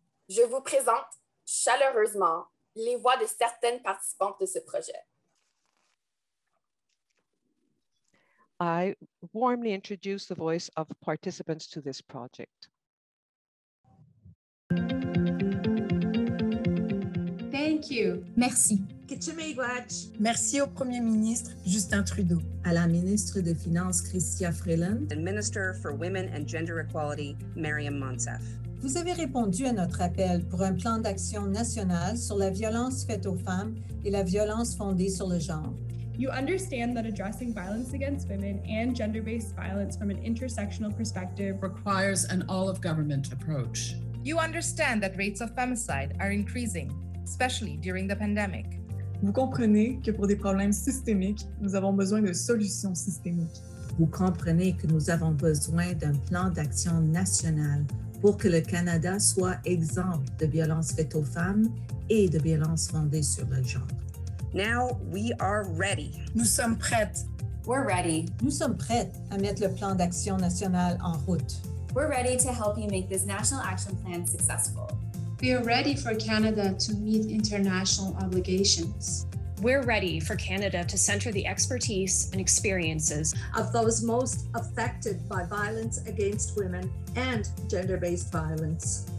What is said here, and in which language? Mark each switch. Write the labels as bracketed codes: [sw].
[fr] Je vous présente chaleureusement les voix de certaines participantes de ce projet. [en] I warmly introduce the voice of participants to this project. Thank you. [fr] Merci. [oj] Kitchimiigwech. [fr] Merci au Premier ministre Justin Trudeau, à la ministre des Finances Chrystia Freeland, [en] and Minister for Women and Gender Equality Maryam Monsef. [fr] Vous avez répondu à notre appel pour un plan d'action national sur la violence faite aux femmes et la violence fondée sur le genre. [en] You understand that addressing violence against women and gender-based violence from an intersectional perspective requires an all-of-government approach. You understand that rates of femicide are increasing, especially during the pandemic. [fr] Vous comprenez que pour des problèmes systémiques, nous avons besoin de solutions systémiques. Vous comprenez que nous avons besoin d'un plan d'action national pour que le Canada soit exempt de violences faites aux femmes et de violences fondées sur le genre. [en] Now we are ready. [fr] Nous sommes prêtes. [en] We're ready. [fr] Nous sommes prêtes à mettre le plan d'action national en route. [en] We're ready to help you make this National Action Plan successful. We are ready for Canada to meet international obligations. We're ready for Canada to center the expertise and experiences of those most affected by violence against women and gender-based violence.